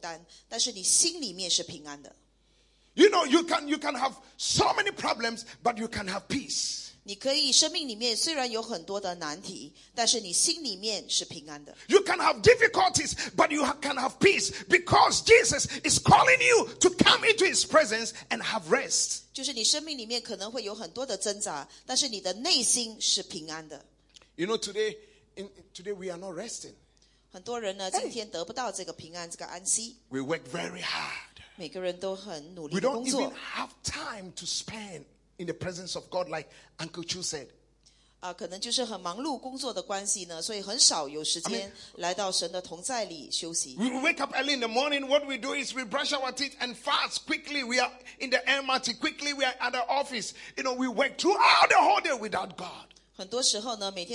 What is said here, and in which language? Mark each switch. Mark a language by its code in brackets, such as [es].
[zh] 但是这里要讲的是说，你可以在肩膀上是担着一个重担，但是你心里面是平安的。 [en] You know, you can have so many problems, but you can have peace. [zh] 你可以生命里面虽然有很多的难题，但是你心里面是平安的。 [en] You can have difficulties, but you can have peace because Jesus is calling you to come into his presence and have rest. [zh] 就是你生命里面可能会有很多的挣扎，但是你的内心是平安的。 [en] You know, today we are not resting. [zh] 很多人呢，今天得不到这个平安，这个安息。 [en] We work very hard. We don't even have time to spend in the presence of God, like Uncle Chu said. [zh] 可能就是很忙碌工作的关系呢，所以很少有时间来到神的同在里休息。 [en] We wake up early in the morning. What we do is we brush our teeth and fast quickly. We are in the MRT quickly. We are at the office. You know, we work throughout the whole day without God.